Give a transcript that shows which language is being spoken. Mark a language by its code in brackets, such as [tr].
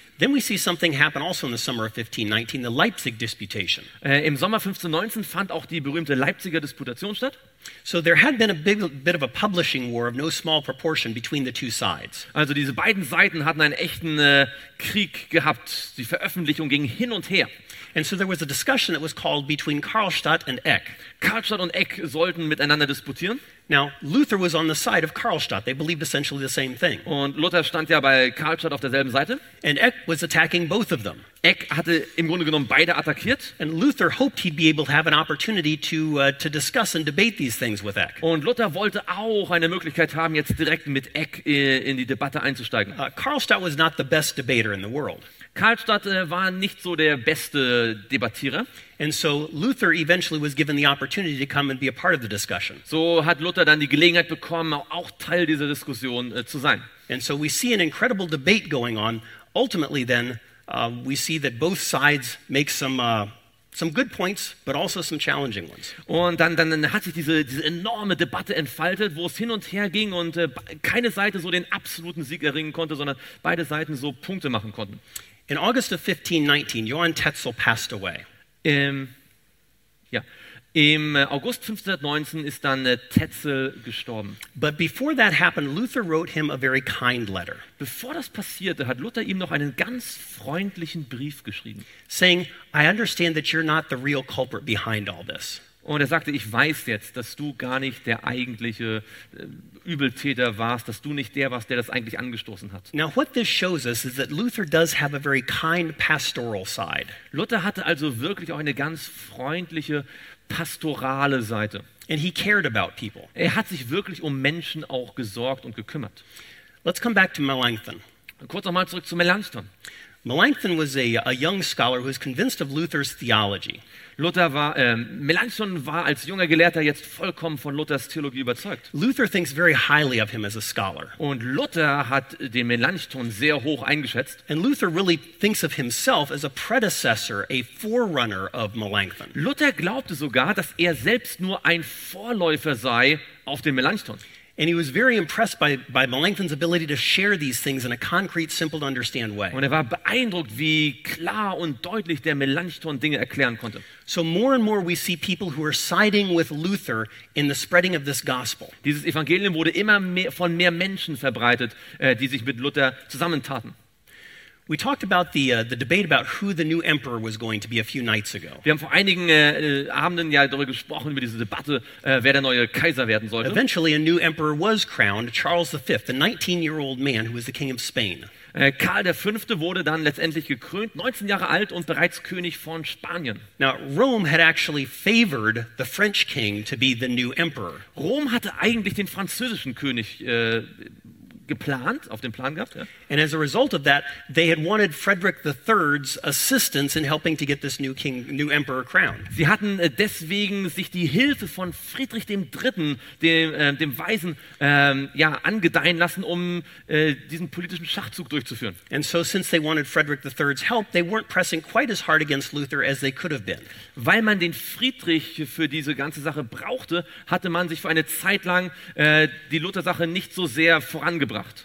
[en] Then we see something happen also in the summer of 1519, the Leipzig Disputation. [de] Im Sommer 1519 fand auch die berühmte Leipziger Disputation statt. [en] So there had been a bit of a publishing war of no small proportion between the two sides. [de] Also diese beiden Seiten hatten einen echten Krieg gehabt. Die Veröffentlichung ging hin und her. [en] And so there was a discussion that was called between Karlstadt and Eck. [de] Karlstadt und Eck sollten miteinander disputieren. [en] Now, Luther was on the side of Karlstadt. They believed essentially the same thing. [de] Und Luther stand ja bei Karlstadt auf derselben Seite. [en] And Eck was attacking both of them. [de] Eck hatte im Grunde genommen beide attackiert. [en] And Luther hoped he'd be able to have an opportunity to discuss and debate these things with Eck. [de] Und Luther wollte auch eine Möglichkeit haben, jetzt direkt mit Eck in die Debatte einzusteigen. [en] Karlstadt was not the best debater in the world. [de] Karlstadt war nicht so der beste Debattierer. [en] And so Luther eventually was given the opportunity to come and be a part of the discussion. [de] So hat Luther dann die Gelegenheit bekommen, auch Teil dieser Diskussion zu sein. [en] And so we see an incredible debate going on. Ultimately then, we see that both sides make some good points, but also some challenging ones. [de] Und dann hat sich diese enorme Debatte entfaltet, wo es hin und her ging und keine Seite so den absoluten Sieg erringen konnte, sondern beide Seiten so Punkte machen konnten. [en] In August of 1519, Johann Tetzel passed away. [de] Im August 1519 ist dann Tetzel gestorben. [en] But before that happened, Luther wrote him a very kind letter. [de] Bevor das passierte, hat Luther ihm noch einen ganz freundlichen Brief geschrieben. [en] Saying, I understand that you're not the real culprit behind all this. [de] Und er sagte, ich weiß jetzt, dass du gar nicht der eigentliche Übeltäter warst, dass du nicht der warst, der das eigentlich angestoßen hat. [en] Now what this shows us is that Luther does have a very kind pastoral side. [de] Luther hatte also wirklich auch eine ganz freundliche pastorale Seite. [en] And he cared about people. [de] Er hat sich wirklich um Menschen auch gesorgt und gekümmert. [en] Let's come back to Melanchthon. [de] Kurz nochmal zurück zu Melanchthon. [en] Melanchthon was a young scholar who was convinced of Luther's theology. [de] Melanchthon war als junger Gelehrter jetzt vollkommen von Luthers Theologie überzeugt. [en] Luther thinks very highly of him as a scholar. [de] Und Luther hat den Melanchthon sehr hoch eingeschätzt. [en] And Luther really thinks of himself as a predecessor, a forerunner of Melanchthon. [de] Luther glaubte sogar, dass er selbst nur ein Vorläufer sei auf den Melanchthon. [en] And he was very impressed by Melanchthon's ability to share these things in a concrete, simple to understand way. [de] Und er war beeindruckt, wie klar und deutlich der Melanchthon Dinge erklären konnte. [en] So more and more we see people who are siding with Luther in the spreading of this gospel. [de] Dieses Evangelium wurde immer mehr von mehr Menschen verbreitet, die sich mit Luther zusammentaten. [en] We talked about the debate about who the new emperor was going to be a few nights ago. [de] Wir haben vor einigen Abenden ja darüber gesprochen, über diese Debatte, wer der neue Kaiser werden sollte. [en] Eventually a new emperor was crowned, Charles V, the 19-year-old man who was the king of Spain. [de] Karl V. wurde dann letztendlich gekrönt, 19 Jahre alt und bereits König von Spanien. [en] Now Rome had actually favored the French king to be the new emperor. [de] Rom hatte eigentlich den französischen König geplant, auf den Plan gehabt, ja. [en] And as a result of that, they had wanted Frederick III's assistance in helping to get this new king, new emperor crowned. [de] Sie hatten deswegen sich die Hilfe von Friedrich III., dem Weisen, angedeihen lassen, um diesen politischen Schachzug durchzuführen. [en] And so since they wanted Frederick III's help, they weren't pressing quite as hard against Luther as they could have been. [de] Weil man den Friedrich für diese ganze Sache brauchte, hatte man sich für eine Zeit lang die Luther-Sache nicht so sehr vorangebracht.